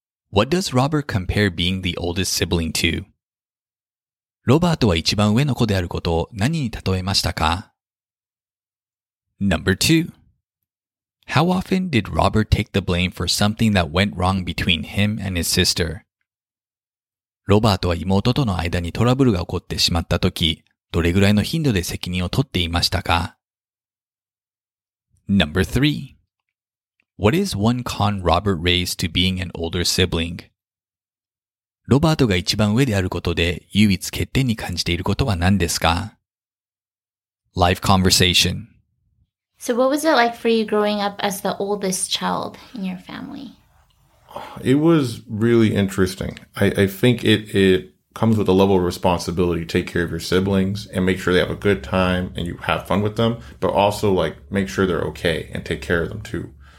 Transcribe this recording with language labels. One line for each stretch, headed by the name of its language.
English: What does Robert compare being the oldest sibling to?
Japanese: ロバートは一番上の子であることを何に例えましたか?
English: Number two. How often did Robert take the blame for something that went wrong between him and his sister?
Japanese: ロバートは妹との間にトラブルが起こってしまったとき、どれぐらいの頻度で責任を取っていましたか?
English: Number three. What is one con Robert raised to being an older sibling?
Japanese: ロバートが一番上であることで唯一欠点に感じていることは何ですか?
English: Live conversation. So what was it like for you growing up as the oldest child in your family? It was really interesting. I think it comes with a level of responsibility to take care of your siblings and make sure they have a good time and you have fun with them, but also like make sure they're okay and take care of them too.